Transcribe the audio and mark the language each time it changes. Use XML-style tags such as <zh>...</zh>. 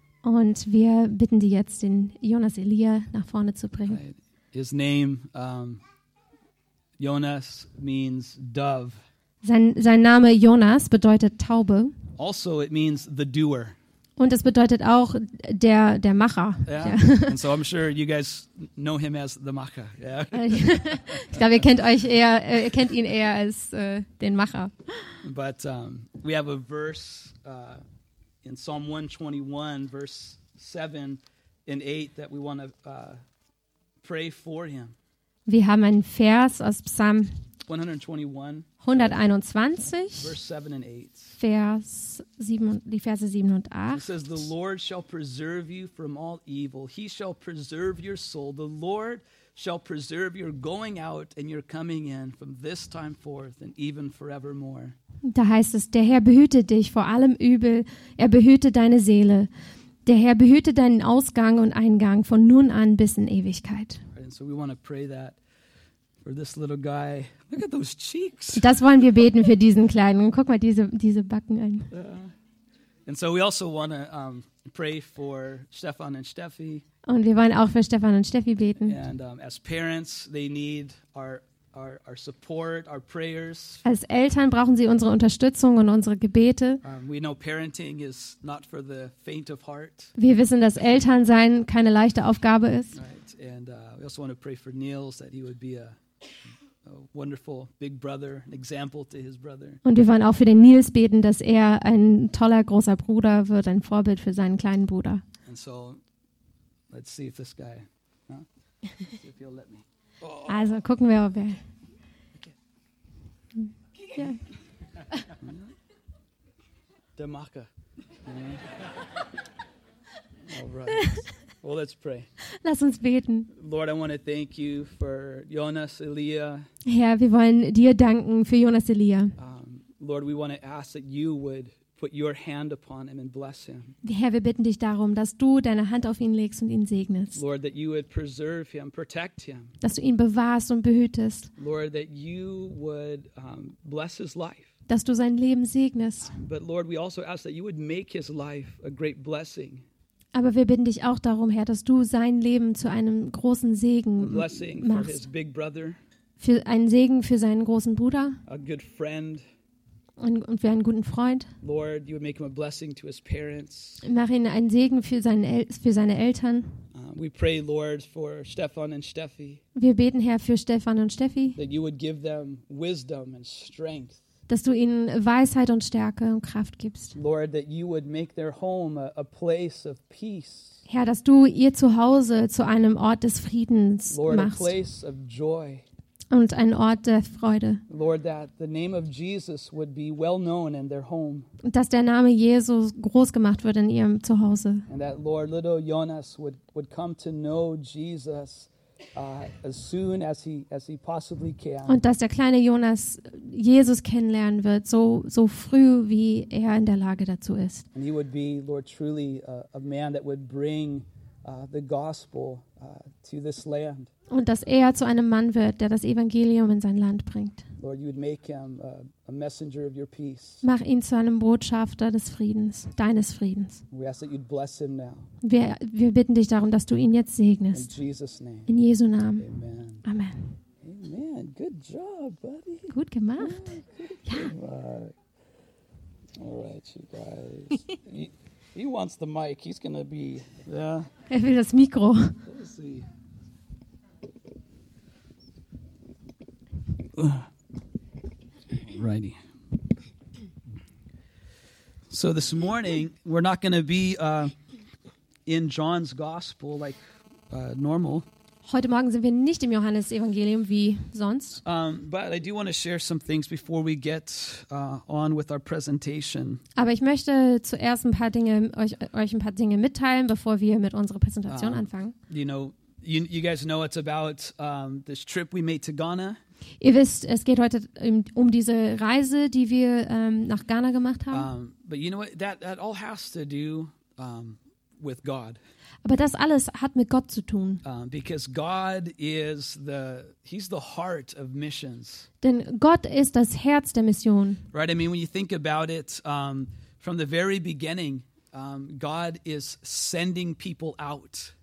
<de>Und wir bitten die jetzt, den Jonas Elia nach vorne zu bringen.</de> <en>Right. His name, Jonas means dove.</en> <de>Sein Name Jonas bedeutet Taube.</de> <en>Also it means the doer.</en> <de>Und es bedeutet auch der Macher.</de> <en>Yeah. Yeah. And so I'm sure you guys know him as the Macher. Yeah.</en> <de>Ich glaube, ihr kennt ihn eher als den Macher.</de> <en>But we have a verse in Psalm 121 verse 7 and 8 that we want to pray for him.</en> <de>Wir haben einen Vers aus Psalm 121, Vers 7 und 8. Verse 7 und 8.</de> <en>It says, "The Lord shall preserve you from all evil. He shall preserve your soul. The Lord shall preserve your going out and your coming in from this time forth and even forevermore."</en> <de>Da heißt es, der Herr behüte dich vor allem Übel. Er behüte deine Seele. Der Herr behüte deinen Ausgang und Eingang von nun an bis in Ewigkeit.</de> <en>So we want to pray that for this little guy. Look at those cheeks.</en> <de>Das wollen wir beten für diesen kleinen. Guck mal diese Backen an.</de> <en>And so we also want to pray for Stefan and Steffi.</en> <de>Und wir wollen auch für Stefan und Steffi beten.</de> <en>And as parents, they need our support, our prayers.</en> <de>Als Eltern brauchen sie unsere Unterstützung und unsere Gebete.</de> <en>We know parenting is not for the faint of heart.</en> <de>Wir wissen, dass Elternsein keine leichte Aufgabe ist.</de> <en>Right. And we also want to pray for Niels, that he would be a wonderful big brother, an example to his brother.</en> <de>Und wir wollen auch für den Niels beten, dass er ein toller großer Bruder wird, ein Vorbild für seinen kleinen Bruder.</de> <en>And so, let's see if this guy, huh? See if he'll let me.</en> <de>Oh. Also gucken wir, ob er. Okay. Yeah. Der Macher.</de> <en>All right. Well, let's pray.</en> <de>Lass uns beten.</de> <en>Lord, I want to thank you for Jonas Elia.</en> <de>Herr, wir wollen dir danken für Jonas Elia.</de> <en>Lord, we want to ask that you would put your hand upon him and bless him.</en> <de>Herr, wir bitten dich darum, dass du deine Hand auf ihn legst und ihn segnest.</de> <en>Lord, that you would preserve him, protect him.</en> <de>Dass du ihn bewahrst und behütest.</de> <en>Lord, that you would bless his life.</en> <de>dass du sein Leben segnest.</de> <en>But Lord, we also ask that you would make his life a great blessing.</en> <de>Aber wir bitten dich auch darum, Herr, dass du sein Leben zu einem großen Segen machst.</de> <en>For his big brother,</en> <de>für einen Segen für seinen großen Bruder.</de> <en>A good friend.</en> <de>Und für einen guten Freund.</de> <en>Lord, you would make him a blessing to his parents.</en> <de>Mach ihn einen Segen für seine Eltern.</de> <en>We pray, Lord, for Stefan and Steffi.</en> <de>Wir beten, Herr, für Stefan und Steffi.</de> <en>That you would give them wisdom and strength.</en> <de>Dass du ihnen Weisheit und Stärke und Kraft gibst.</de> <en>Lord, that you would make their home a place of peace.</en> <de>Herr, dass du ihr Zuhause zu einem Ort des Friedens</de> <en>Lord,</en> <de>machst.</de> <en>A place of joy.</en> <de>Und ein Ort der Freude.</de> <en>Lord, that the name of Jesus would be well known in their home.</en> <de>Dass der Name Jesus groß gemacht wird in ihrem Zuhause.</de> <en>And that Lord little Jonas would come to know Jesus as soon as he possibly can.</en> <de>Und dass der kleine Jonas Jesus kennenlernen wird so früh wie er in der Lage dazu ist.</de> <en>And he would be Lord truly a man that would bring the gospel to this land.</en> <de>Und dass er zu einem Mann wird, der das Evangelium in sein Land bringt.</de> <en>Lord, you would make him a messenger of your peace.</en> <de>Mach ihn zu einem Botschafter des Friedens, deines Friedens.</de> <en>We ask that you'd bless him now.</en> <de>Wir bitten dich darum, dass du ihn jetzt segnest.</de> <en>In Jesus' name.</en> <de>In Jesu Namen.</de> <en>Amen. Amen. Amen. Good job, buddy.</en> <de>Gut gemacht.</de> <en>Ja. All right, you guys. He wants the mic. He's gonna be. Yeah.</en> <de>Er will das Mikro.</de> <en>Let's see. Righty. So this morning we're not gonna be in John's Gospel like normal.</en> <de>Heute Morgen sind wir nicht im Johannesevangelium wie sonst.</de> <en>But I do want to share some things before we get on with our presentation.</en> <de>Aber ich möchte zuerst euch ein paar Dinge mitteilen, bevor wir mit unserer Präsentation anfangen.</de> <en>You know, you guys know it's about this trip we made to Ghana.</en> <de>Ihr wisst, es geht heute um diese Reise, die wir nach Ghana gemacht haben.</de> <en>But you know what? That all has to do with God.</en> <de>Aber das alles hat mit Gott zu tun.</de> <en>Because God is he's the heart of missions.</en> <de>Denn Gott ist das Herz der Mission.</de> <en>Right, I mean, when you think about it, from the very beginning, God is sending people out.</en>